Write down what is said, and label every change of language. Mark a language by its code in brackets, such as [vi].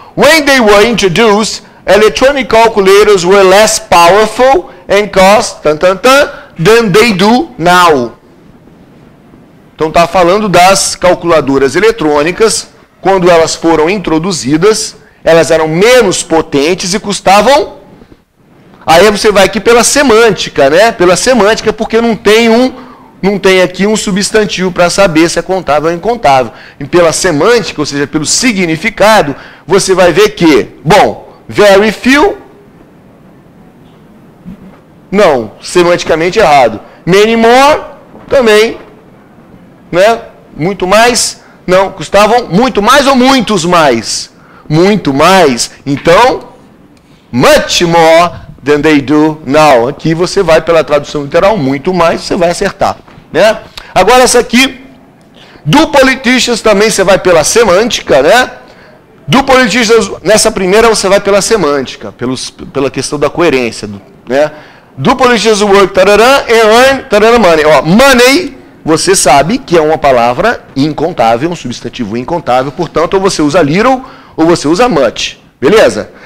[en] When they were introduced, electronic calculators were less powerful and cost than they do now. [pt] Então está falando das calculadoras eletrônicas. Quando elas foram introduzidas, elas eram menos potentes e custavam. Aí você vai aqui pela semântica, né? Pela semântica, porque não tem aqui um substantivo para saber se é contável ou incontável. E pela semântica, ou seja, pelo significado, você vai ver que, bom, very few, não, semanticamente errado. Many more, também, né? Muito mais, não, custavam muito mais ou muitos mais? Muito mais, então, [en] much more than they do now. [pt] Aqui você vai pela tradução literal, muito mais, você vai acertar. Né? Agora essa aqui, do politicians também você vai pela semântica, né? Do politicians, nessa primeira você vai pela semântica, pela questão da coerência. Né? [en] Do politicians work, tararã, earn, tararã, money. [pt] Ó, money, você sabe que é uma palavra incontável, um substantivo incontável, portanto, ou você usa little ou você usa much. Beleza?